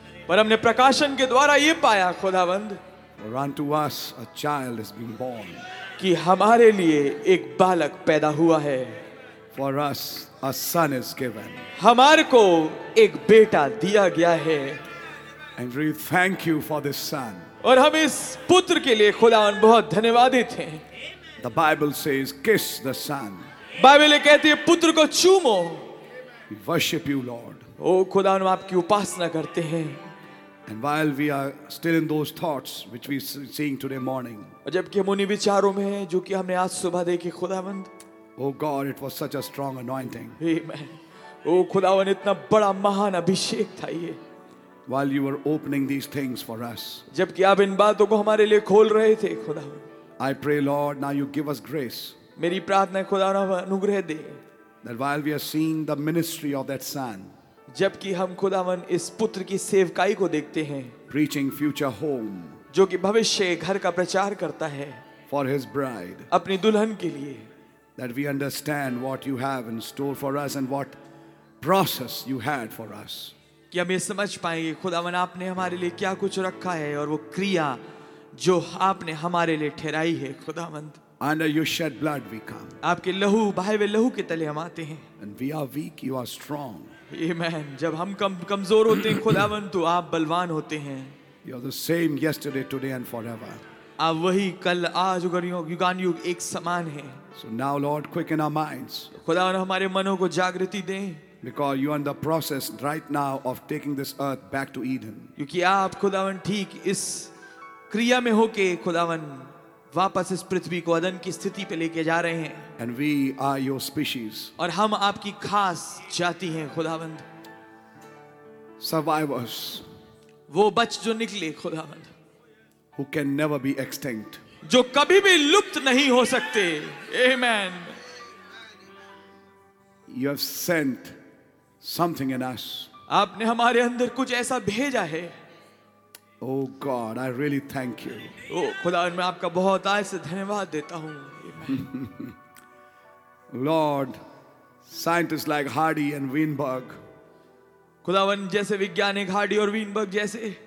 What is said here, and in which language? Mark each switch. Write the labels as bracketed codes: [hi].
[hi] पर हमने प्रकाशन के द्वारा ये पाया खुदावंद [en] for unto us a child has been born. [hi] कि हमारे लिए एक बालक पैदा हुआ है [en] for us a son is given. [hi] हमारे को एक बेटा दिया गया है [en] and we thank you for this son. [hi] और हम इस पुत्र के लिए खुदावंद बहुत धन्यवादित हैं. [en] The Bible says kiss the son. [hi] Bible कहती है पुत्र को चूमो. [en] We worship you, Lord. [hi] ओ खुदा हम आपकी उपासना करते हैं. [en] And while we are still in those thoughts which we are seeing today morning. [hi] जबकि हम उन्हीं विचारों में हैं जो कि हमने आज सुबह देखे खुदावंद. [en] Oh God, it was such a strong anointing. Amen. [hi] ओ खुदावंद इतना बड़ा महान अभिषेक था ये. [en] While you were opening these things for us. [hi] जबकि आप इन बातों को हमारे लिए खोल रहे थे खुदावंद. [en] I pray, Lord, now you give us grace. [hi] Meri prarthna hai khuda rab anugrah de. [en] That while we are seeing the ministry of that son. [hi] Jabki hum khudavan is putra ki sevkai ko dekhte hain. [en] Preaching future home. [hi] Jo ki bhavishya ghar ka prachar karta hai. [en] For his bride. [hi] Apni dulhan ke liye. [en] That we understand what you have in store for us and what process you had for us. [hi] Ki hum ye samajh payenge khudavan aapne hamare liye kya kuch rakha hai aur wo kriya जो आपने हमारे लिए ठहराई है खुदावंद [en] Under your shed blood we come. [hi] आपके लहू बहे हुए लहू के तले हम आते हैं [en] And we are weak, you are strong. Amen. [hi] जब हम कमजोर होते हैं खुदावंद तो आप बलवान होते हैं [en] You are the same yesterday, today and forever. [hi] आप वही कल आज और युगान युग एक समान हैं [en] So now Lord quicken our minds. [hi] खुदावंद हमारे मनों को जागृति दें [en] Because you are in the process right now of taking this earth back to Eden. [hi] क्योंकि आप खुदावंद ठीक इस क्रिया में होके खुदावन वापस इस पृथ्वी को अदन की स्थिति पे लेके जा रहे हैं [en] and we are your species [hi] और हम आपकी खास जाति हैं खुदावन [en] survivors [hi] वो बच जो निकले खुदावन [en] who can never be extinct [hi] जो कभी भी लुप्त नहीं हो सकते आमेन [en] you have sent something in us [hi] आपने हमारे अंदर कुछ ऐसा भेजा है [en] Oh God, I really thank you. [hi] Oh, khuda, main aapka bahut aaj se dhanyawad deta hoon. [en] Lord, scientists like Hardy and Weinberg. [hi] Khudawan jaise vigyanik Hardy aur Weinberg jaise.